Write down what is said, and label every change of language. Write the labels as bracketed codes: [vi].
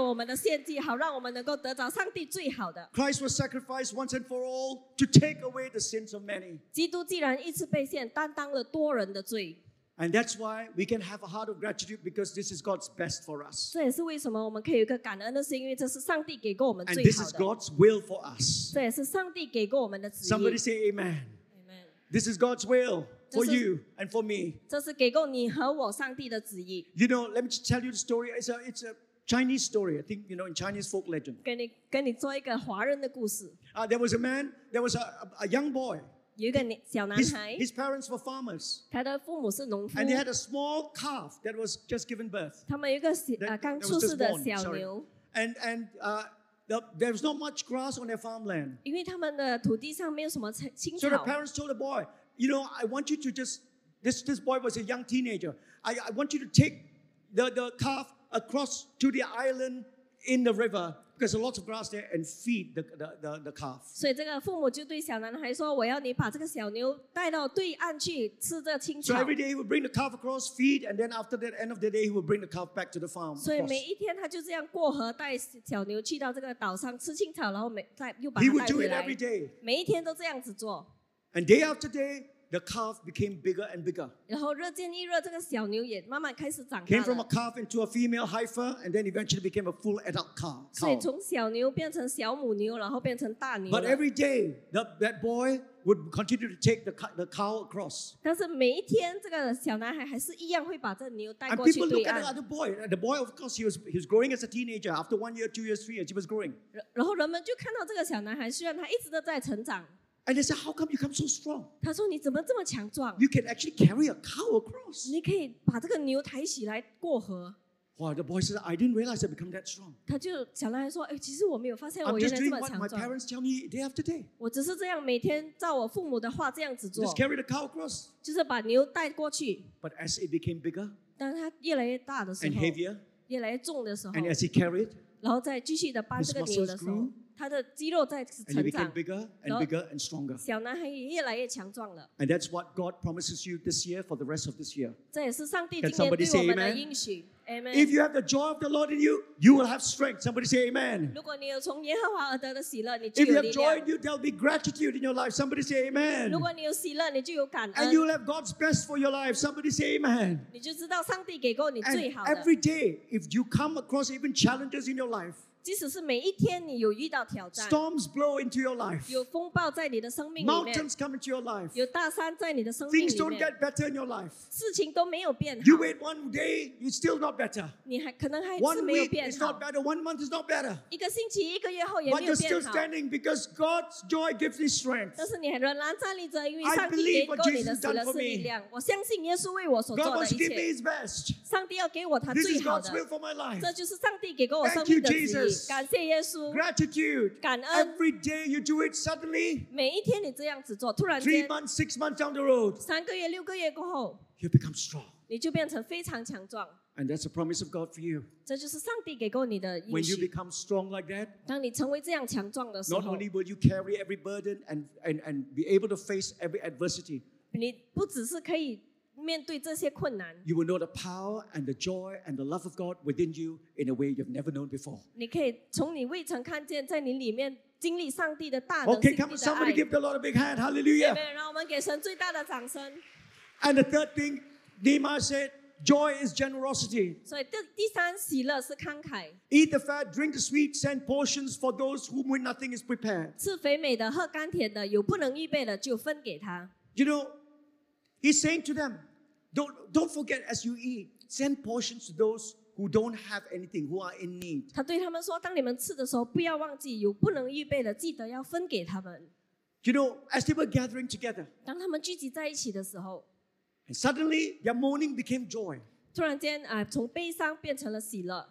[zh] 因为耶稣基督一次过成为了我们的献祭，好让我们能够得着上帝最好的。 [en] Christ was sacrificed once and for all to take away the sins of many. [zh] 基督既然一次被献，担当了多人的罪。 [en] And that's why we can have a heart of gratitude because this is God's best for us. And this is God's will for us. Somebody say amen. Amen. This is God's will for you and for me. You know, let me tell you the story. It's a Chinese story, I think, you know, in Chinese folk legend. There was a man, there was a young boy. His parents were farmers. And they had a small calf that was just given birth. There was not much grass on their farmland. So the parents told the boy, you know, I want you to just, this boy was a young teenager. I want you to take the calf across to the island in the river. there's lots of grass there and feed the calf. [zh] 所以这个父母就对小男孩说，我要你把这个小牛带到对岸去吃这青草。 [en] So every day he would bring the calf across, feed, and then after that end of the day he would bring the calf back to the farm. [zh] 所以每一天他就这样过河带小牛去到这个岛上吃青草，然后再又把它带回来。 [en] He would do it every day. [zh] 每一天都这样子做。 [en] And day after day, the calf became bigger and bigger. [zh] 然后日渐一日，这个小牛也慢慢开始长大了。 [en] Came from a calf into a female heifer, and then eventually became a full adult calf. [zh] 所以从小牛变成小母牛，然后变成大牛。 [en] But every day, that boy would continue to take the cow across. [zh] 但是每一天，这个小男孩还是一样会把这牛带过去对岸。 [en] And people look at the other boy. The boy, of course, he was growing as a teenager. After 1 year, 2 years, 3 years, he was growing. [zh] 然后人们就看到这个小男孩，虽然他一直都在成长。 [en] And they said, how come you come so strong? [zh] 他说你怎么这么强壮? [en] You can actually carry a cow across. [zh] 你可以把这个牛抬起来过河。 [en] Wow, the boy says, I didn't realize I become that strong. [zh] 他就小男孩说，哎，其实我没有发现我原来这么强壮。 [en] I'm just doing what my parents tell me day after day. [zh] 我只是这样每天照我父母的话这样子做。 [en] Just carry the cow across. [zh] 就是把牛带过去。 [en] But as it became bigger, [zh] 当它越来越大的时候, [en] and heavier, [zh] 越来越重的时候, [en] and as he carried, [zh] 然后再继续地搬这个牛的时候, 他的肌肉在成长, [en] and he became bigger and bigger and stronger. [zh] 小男孩也越来越强壮了。 [en] And that's what God promises you this year for the rest of this year. [zh] 这也是上帝今年对我们的应许。 [en] Can somebody say amen? If you have the joy of the Lord in you, you will have strength. Somebody say amen. [zh] 如果你有从耶和华而得的喜乐，你就有力量。 [en] If you have joy in you, there will be gratitude in your life. Somebody say amen. [zh] 如果你有喜乐，你就有感恩。 [en] And you will have God's best for your life. Somebody say amen. [zh] 你就知道上帝给过你最好的。 [en] And every day, if you come across even challenges in your life, [zh] 即使是每一天你有遇到挑战, [en] storms blow into your life, [zh] 有风暴在你的生命里面, [en] mountains come into your life, [zh] 有大山在你的生命里面, [en] things don't get better in your life, [zh] 事情都没有变好, [en] you wait 1 day, it's still not better, [zh] 你还可能还是没有变好, [en] 1 week is not better, 1 month is not better, [zh] 一个星期一个月后也没有变好, [en] but you're still standing because God's joy gives you strength. [zh] 但是你仍然站立着, 因为上帝给过你的喜乐是力量。 [en] God wants to give me his best. [zh] 上帝要给我他最好的, [en] this is God's will for my life. [zh] 这就是上帝给过我生命的旨意。 [en] Thank you, Jesus. [zh] 感谢耶稣, [en] gratitude, [zh] 感恩, [en] every day you do it suddenly, [zh] 每一天你这样子做, 突然间, [en] 3 months, 6 months down the road, [zh] 三个月, 六个月过后, [en] you become strong. [zh] 你就变成非常强壮, [en] and that's the promise of God for you. When you become strong like that, [zh] 当你成为这样强壮的时候, [en] not only will you carry every burden and be able to face every adversity, [zh] 你不只是可以 面对这些困难, [en] you will know the power and the joy and the love of God within you in a way you've never known before. [zh] 你可以从你未曾看见, 在你里面经历上帝的大能, [en] okay, come on, somebody give the Lord a big hand. Hallelujah. [zh] Amen, 让我们给神最大的掌声。 [en] And the third thing, Nehemiah said, joy is generosity. [zh] 所以第三喜乐是慷慨。 [en] Eat the fat, drink the sweet, send portions for those whom when nothing is prepared. [zh] 吃肥美的,喝甘甜的, 有不能预备的, 就分给他。 [en] You know, he's saying to them, don't forget as you eat, send portions to those who don't have anything, who are in need. [zh] 他对他们说,当你们吃的时候,不要忘记,有不能预备的,记得要分给他们。 [en] You know, as they were gathering together, [zh] 当他们聚集在一起的时候, [en] and suddenly their mourning became joy. [zh] 突然间,从悲伤变成了喜乐。